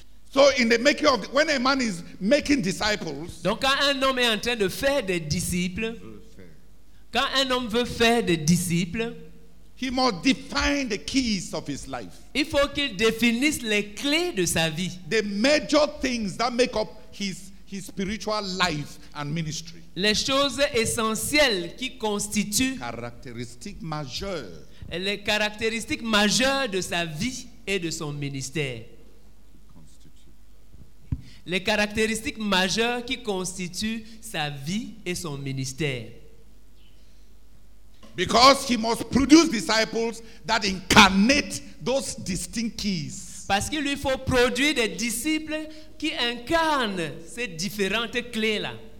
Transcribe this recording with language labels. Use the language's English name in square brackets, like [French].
[English] So in the making of when a man is making disciples, [French] donc quand un homme est en train de faire des disciples, quand un homme veut faire des disciples, [English] he must define the keys of his life. [French] Il faut qu'il définisse les clés de sa vie. [English] The major things that make up his spiritual life and ministry. [French] Les choses essentielles qui constituent caractéristiques majeures. Les caractéristiques majeures de sa vie et de son ministère. Les caractéristiques majeures qui constituent sa vie et son ministère. [English] Because he must produce disciples that incarnate those distinct keys. [French] Parce qu'il lui faut produire des disciples qui incarnent ces différentes clés-là.